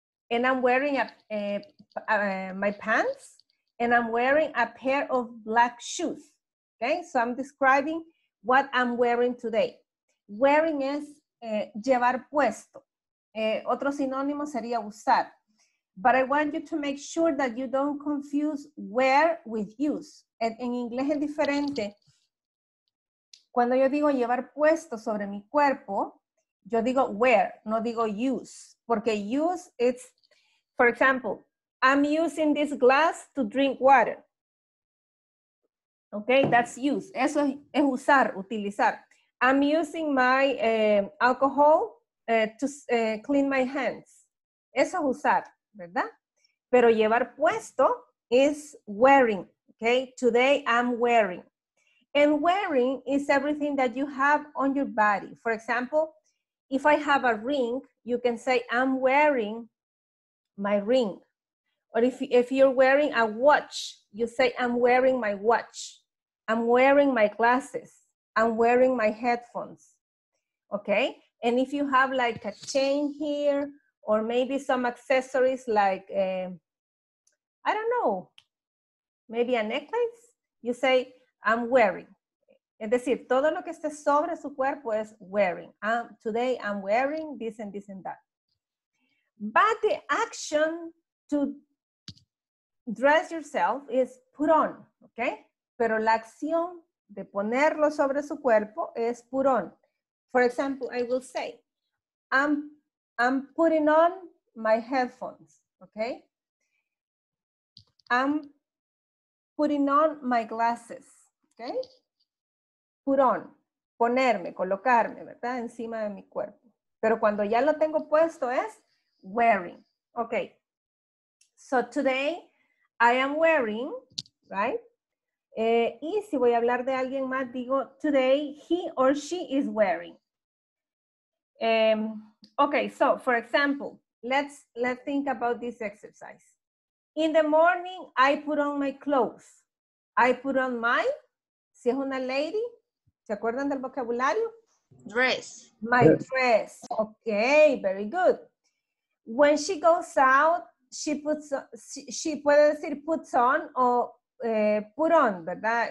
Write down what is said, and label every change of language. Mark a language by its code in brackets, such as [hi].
[en] And I'm wearing my pants and I'm wearing a pair of black shoes, okay? So I'm describing what I'm wearing today. Wearing is [es] llevar puesto. Otro sinónimo sería usar. [en] But I want you to make sure that you don't confuse wear with use. [es] En inglés es diferente. Cuando yo digo llevar puesto sobre mi cuerpo, Yo digo where, no digo use. [en] Porque use, it's, for example, I'm using this glass to drink water. Okay, that's use. [es] Eso es usar, utilizar. [en] I'm using my alcohol to clean my hands. [es] Eso es usar, ¿verdad? Pero llevar puesto is wearing. [en] Okay, today I'm wearing. And wearing is everything that you have on your body. For example, if I have a ring, you can say I'm wearing my ring. Or if you're wearing a watch, you say I'm wearing my watch. I'm wearing my glasses. I'm wearing my headphones. Okay? And if you have like a chain here or maybe some accessories like, I don't know, maybe a necklace, you say I'm wearing. [es] Es decir, todo lo que esté sobre su cuerpo es wearing. [en] Today I'm wearing this and this and that. But the action to dress yourself is put on, okay? [es] Pero la acción de ponerlo sobre su cuerpo es put on. [en] For example, I will say, I'm putting on my headphones, okay? I'm putting on my glasses, okay? [es] Put on, ponerme, colocarme, ¿verdad? Encima de mi cuerpo. Pero cuando ya lo tengo puesto es wearing. Okay. [en] So today I am wearing, right? [es] Y si voy a hablar de alguien más, digo [en] today he or she is wearing. Okay, so for example, let's think about this exercise. In the morning I put on my clothes. I put on my, [es] si es una lady, ¿se acuerdan del vocabulario? [en] Dress. My dress. Okay, very good. When she goes out, she puts, she [es] puede decir [en] puts on o put on, ¿verdad?